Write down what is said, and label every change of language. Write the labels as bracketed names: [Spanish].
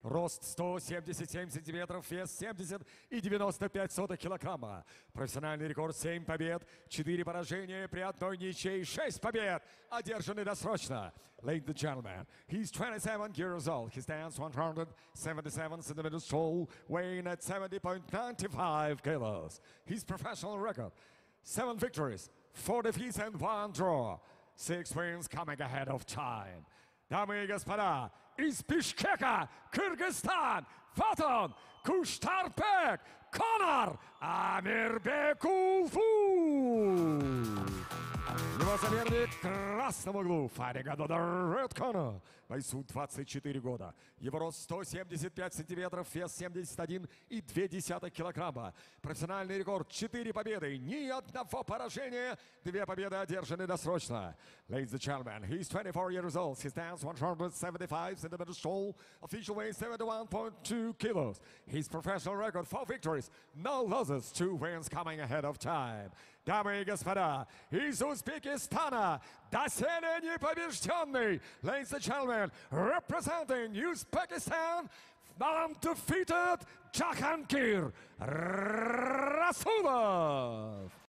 [Russian] Рост 177 сантиметров, вес 70,95 килограмма. Профессиональный рекорд 7 побед, 4 поражения при одной ничьей, 6 побед, одержанный досрочно. [English] Ladies and gentlemen, he's 27 years old. He stands 177 centimeters tall, weighing at 70.95 kilos. His professional record, 7 victories, 4 defeats and 1 draw. 6 wins coming ahead of time. [Russian] Дамы и господа, из Бишкека, Кыргызстан, Фатон, Куштарбек, Конор, Амирбекулфу. Его соперник в красном углу, Фаригадодар Редконо, бойцу 24 года. Его рост 175 сантиметров, вес 71,2 килограмма. Профессиональный рекорд 4 победы, ни одного поражения, 2 победы одержаны досрочно. [English] Ladies and gentlemen, he's 24 years old, he stands 175 centimeters tall, official weight 71.2 kilos. His professional record 4 victories, no losses, 2 wins coming ahead of time. [Russian] Дамы и господа, из Узбекистана, доселе непобежденный, [English] ladies and gentlemen, representing [Russian] Узбекистан, [English] undefeated [Russian] Джахангир Расулов.